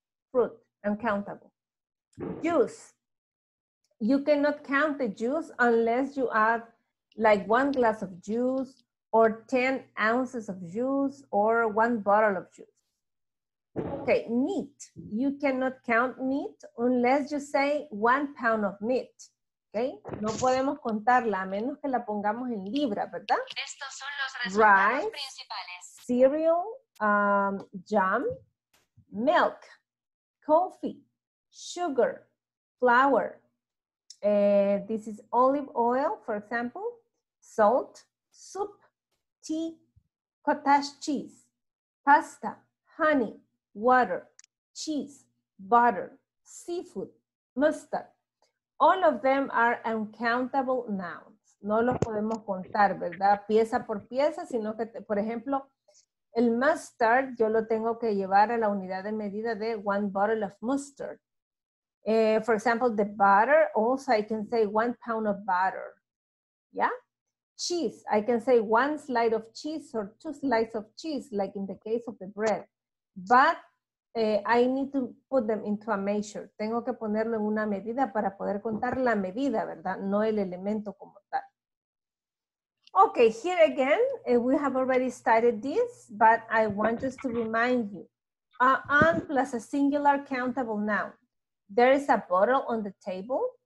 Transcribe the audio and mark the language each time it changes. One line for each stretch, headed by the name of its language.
English: Fruit, uncountable. Juice. You cannot count the juice unless you add like one glass of juice or 10 ounces of juice or one bottle of juice. Okay, meat. You cannot count meat unless you say 1 pound of meat. Okay?
Spanish: No podemos contarla a menos que la pongamos en libra, ¿verdad? Estos son los resultados principales.
English: Rice, cereal, jam, milk, coffee, sugar, flour. This is olive oil, for example. Salt, soup, tea, cottage cheese, pasta, honey, water, cheese, butter, seafood, mustard. All of them are uncountable nouns.
Spanish: No los podemos contar, ¿verdad? Pieza por pieza, sino que, por ejemplo, el mustard yo lo tengo que llevar a la unidad de medida de
English: one bottle of mustard. For example, the butter, also I can say 1 pound of butter. Yeah? Cheese, I can say one slice of cheese or two slices of cheese, like in the case of the bread. But I need to put them into a measure.
Spanish: Tengo que ponerlo en una medida para poder contar la medida, ¿verdad? No el elemento como tal.
English: Okay, here again, we have already started this, but I want just to remind you. An plus a singular countable noun. There is a bottle on the table.